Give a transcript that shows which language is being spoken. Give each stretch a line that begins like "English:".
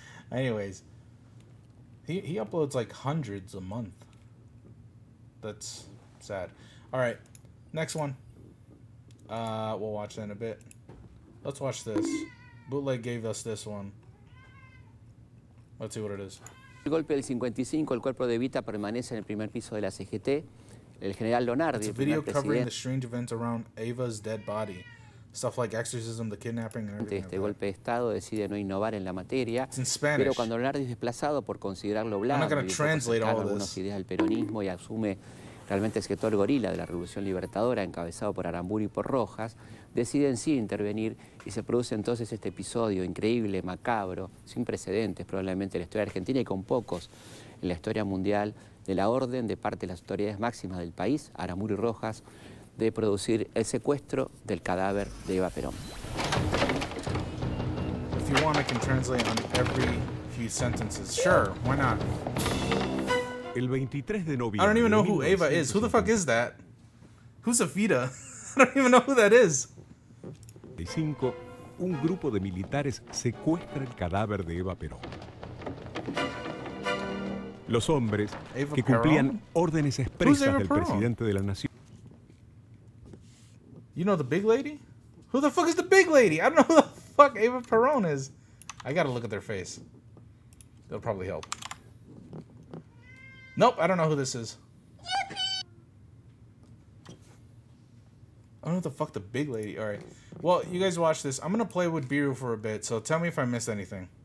English: Anyways, he uploads like hundreds a month. That's sad. All right, next one. We'll watch that in a bit. Let's watch this. Bootleg gave us this one. Let's see what it is.
Spanish: El golpe del 55, el cuerpo de Evita permanece en el primer piso de la CGT. El general Leonardo.
English: It's a video covering the strange events around Ava's dead body. Stuff like exorcism, the kidnapping, and everything.
Spanish: Este golpe de Estado decide no innovar en la materia.
English: It's in Spanish.
Spanish: Pero cuando Leonardo es desplazado por considerarlo blando,
English: I'm not going to translate all of this.
Spanish: Ideas del peronismo y asume realmente el sector gorila de la Revolución Libertadora, encabezado por Aramburu y por Rojas, decide en sí intervenir y se produce entonces este episodio increíble, macabro, sin precedentes probablemente en la historia argentina y con pocos en la historia mundial, de la orden de parte de las autoridades máximas del país, Aramburu y Rojas, de producir el secuestro del cadáver de Eva Perón.
English: If you want, I can translate on every few sentences. Sure, why not?
Spanish: El 23 de noviembre.
English: I don't even know who Eva is. Who the fuck is that? Who's Evita? I don't even know who that is.
Spanish: De 5, un grupo de militares secuestra el cadáver de Eva Perón. Los hombres Eva que cumplían órdenes expresas del presidente de la nación.
English: You know the big lady? Who the fuck is the big lady? I don't know who the fuck Eva Perón is. I gotta look at their face. That'll probably help. Nope, I don't know who this is. Yippee! I don't know who the fuck the big lady. Alright. Well, you guys watch this. I'm gonna play with Biru for a bit, so tell me if I missed anything.